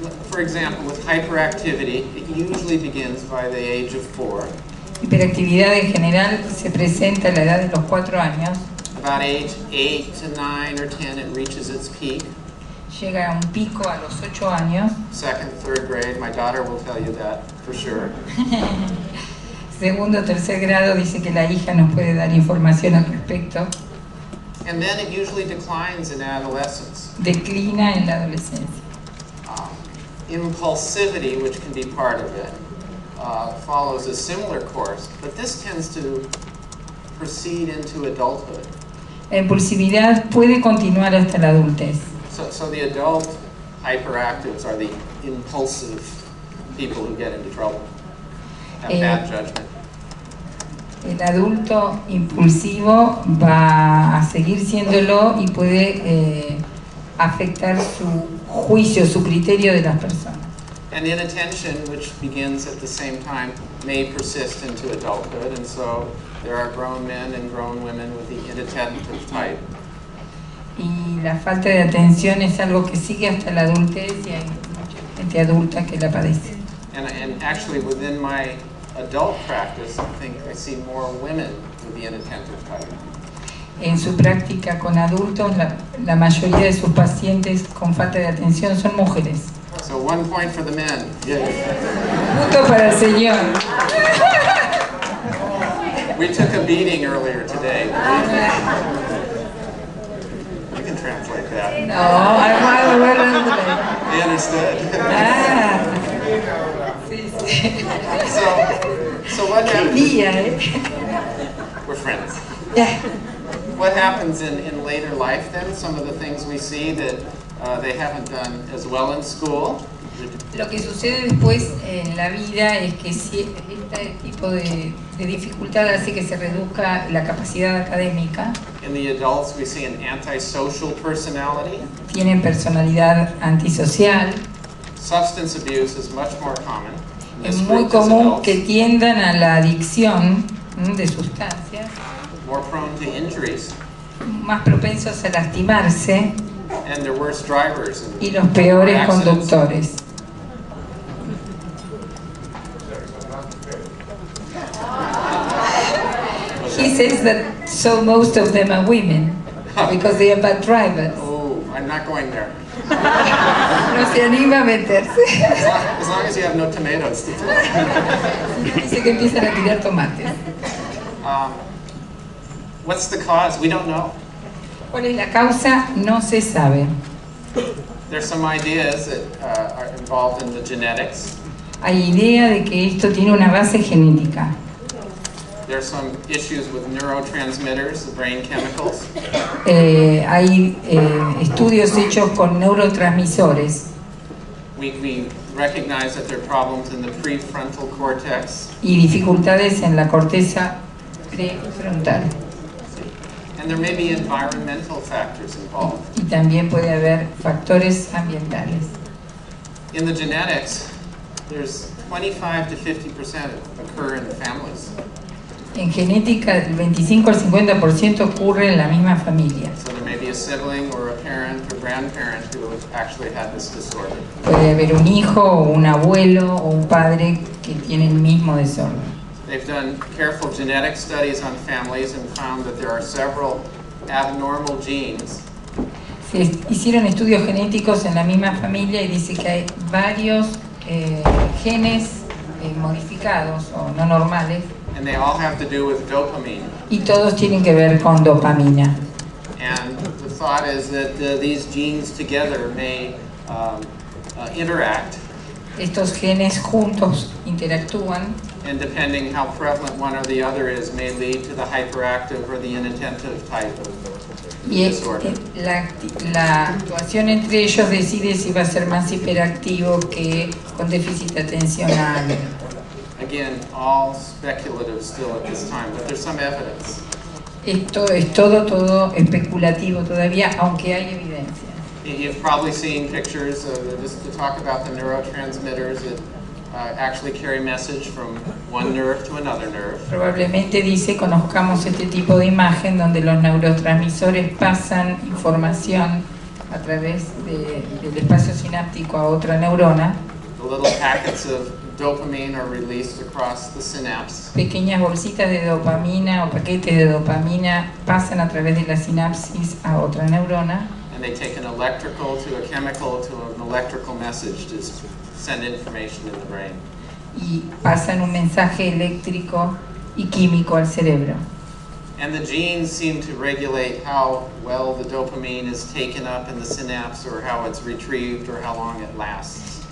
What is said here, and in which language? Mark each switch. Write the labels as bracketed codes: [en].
[en] For example, with hyperactivity, it usually begins by the age of 4. [es] Hiperactividad en general se presenta a la edad de los 4 años. [en] About age 8 to 9 or 10, it reaches its peak. [es] Llega a un pico a los 8 años. [en] Second, third grade, my daughter will tell you that for sure. [es] Segundo, tercer grado, dice que la hija nos puede dar información al respecto. [en] And then it usually declines in adolescence. [es] Declina en la adolescencia. [en] impulsivity, which can be part of it, follows a similar course, but this tends to proceed into adulthood. [es] La impulsividad puede continuar hasta la adultez. [en] So the adult hyperactives are the impulsive people who get into trouble, have bad judgment. [es] El adulto impulsivo va a seguir siéndolo y puede afectar su juicio, su criterio de las personas. [en] And inattention, which begins at the same time, may persist into adulthood, and so there are grown men and grown women with the inattentive type. [es] Y la falta de atención es algo que sigue hasta la adultez y hay gente adulta que la padece. [en] And actually, within my adult practice, I think I see more women with the inattentive type. [es] En su práctica con adultos, la mayoría de sus pacientes con falta de atención son mujeres. [en] So 1 point for the men. Yes. [es] Punto para el señor. [en] We took a beating earlier today. You can translate that. No, I'm not aware of it. They understood. So what happens? We're friends. Yeah. What happens in later life then? Some of the things we see that they haven't done as well in school. [es] Lo que sucede después en la vida es que si este tipo de dificultad hace que se reduzca la capacidad académica. [en] In the adults we see an antisocial personality. [es] Tienen personalidad antisocial. [en] Substance abuse is much more common. [es] Es muy común que tiendan a la adicción de sustancias. [en] More prone to injuries. [es] Más propensos a lastimarse. [en] And their worst drivers and [es] y los peores conductores. [en] He says that so most of them are women because they are bad drivers. Oh, I'm not going there. [es] No se anima a meterse. [en] As long as you have no tomatoes. [es] Dice que empiezan a tirar tomates. [en] What's the cause? We don't know. [es] ¿Cuál es la causa? No se sabe. [en] There's some ideas that are involved in the genetics. [es] Hay idea de que esto tiene una base genética. [en] There are some issues with neurotransmitters, the brain chemicals. [es] Hay estudios hechos con neurotransmisores. [en] We recognize that there are problems in the prefrontal cortex. [es] Y dificultades en la corteza prefrontal. [en] And there may be environmental factors involved. [es] Y también puede haber factores ambientales. [en] In the genetics, there's 25 to 50% occur in the families. [es] En genética, el 25 al 50% ocurre en la misma familia. [en] So there may be a sibling or a parent or grandparent who actually had this disorder. [es] Puede haber un hijo o un abuelo o un padre que tiene el mismo desorden. [en] They've done careful genetic studies on families and found that there are several abnormal genes. [es] Se hicieron estudios genéticos en la misma familia y dice que hay varios genes modificados o no normales. [en] And they all have to do with dopamine. [es] Y todos tienen que ver con dopamina. [en] And the thought is that these genes together may interact. [es] Estos genes juntos interactúan. [en] And depending how prevalent one or the other is, may lead to the hyperactive or the inattentive type of disorder. [es] La actuación entre ellos decide si va a ser más hiperactivo que con déficit atencional. [en] Again, all speculative still at this time, but there's some evidence. [es] Esto es todo especulativo todavía, aunque hay evidencia. [en] You've probably seen pictures of just to talk about the neurotransmitters. Actually carry message from one nerve to another nerve. [es] Probablemente dice conozcamos este tipo de imagen donde los neurotransmisores pasan información a través del espacio sináptico a otra neurona. [en] The little packets of dopamine are released across the synapse. [es] Pequeñas bolsitas de dopamina o paquetes de dopamina pasan a través de la sinapsis a otra neurona. [en] And they take an electrical to a chemical to an electrical message to send information in the brain. [es] Y pasan un mensaje eléctrico y químico al cerebro. [en] And the genes seem to regulate how well the dopamine is taken up in the synapse or how it's retrieved or how long it lasts.